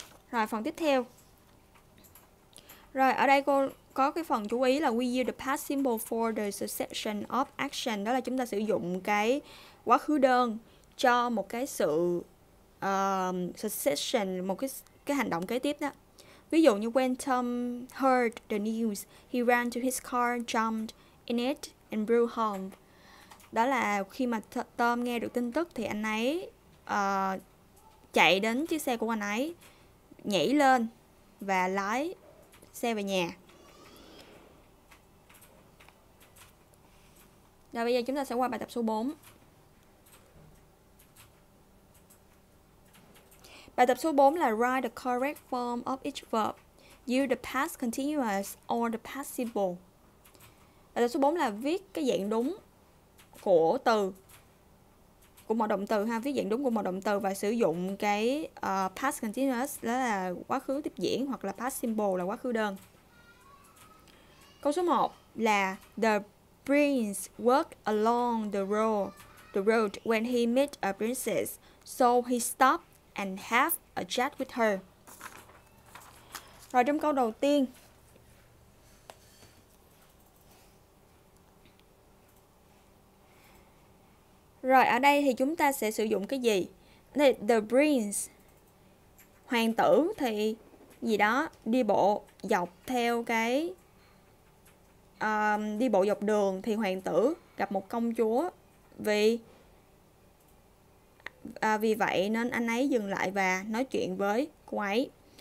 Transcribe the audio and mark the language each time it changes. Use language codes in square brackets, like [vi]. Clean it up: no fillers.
[vi] Rồi phần tiếp theo. Rồi ở đây cô có cái phần chú ý là [en] we use the past simple for the succession of action. [vi] Đó là chúng ta sử dụng cái quá khứ đơn cho một cái sự succession, một cái hành động kế tiếp đó. Ví dụ như [en] when Tom heard the news, he ran to his car, jumped in it and flew home. [vi] Đó là khi mà Tom nghe được tin tức thì anh ấy chạy đến chiếc xe của anh ấy, nhảy lên và lái xe về nhà. Rồi bây giờ chúng ta sẽ qua bài tập số 4. Bài tập số 4 là [en] write the correct form of each verb. Use the past continuous or the past simple. [vi] Bài tập số 4 là viết cái dạng đúng của từ, của một động từ ha, viết dạng đúng của một động từ và sử dụng cái past continuous đó là quá khứ tiếp diễn, hoặc là past simple là quá khứ đơn. Câu số 1 là [en] the prince walked along the road when he met a princess, so he stopped and have a chat with her. [vi] Rồi trong câu đầu tiên, rồi ở đây thì chúng ta sẽ sử dụng cái gì? The prince, hoàng tử thì gì đó, đi bộ dọc theo cái đi bộ dọc đường thì hoàng tử gặp một công chúa, vì vậy nên anh ấy dừng lại và nói chuyện với cô ấy.